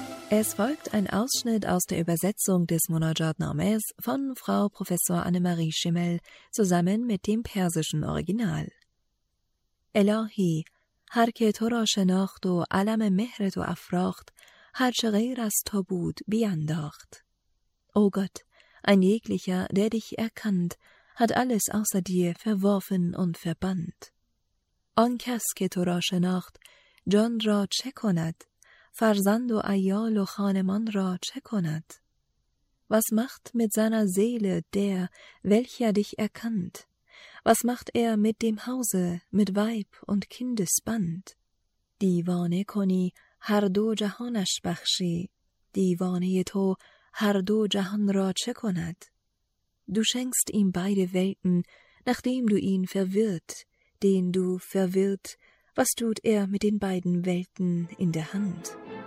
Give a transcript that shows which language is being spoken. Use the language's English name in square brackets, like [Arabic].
[German] Es folgt ein Ausschnitt aus der Übersetzung des Munajat Namehs von Frau Professor Annemarie Schimmel zusammen mit dem persischen Original. [Persian] Elohi, هر که تو را شناخت و علم مهر تو افراخت، هر چه غیر از تو بود بیانداخت. [German] او گوت، این jeglicher, der dich erkannt, hat alles außer dir verworfen und verbannt. [Persian] آن کس که تو را شناخت، جان را چه کند؟ [German] فرزند و ایال و خانمان را چه کند؟ Was macht mit seiner Seele der, welcher dich erkannt؟ Was macht mit dem Hause, mit Weib und Kindesband? [Persian] دیوانه کنی هر دو جهانش بخشی. دیوانه تو هر دو جهان را چه کند؟ [German] Du schenkst ihm beide Welten, nachdem du ihn verwirrt. Den du verwirrt, was tut mit den beiden Welten in der Hand?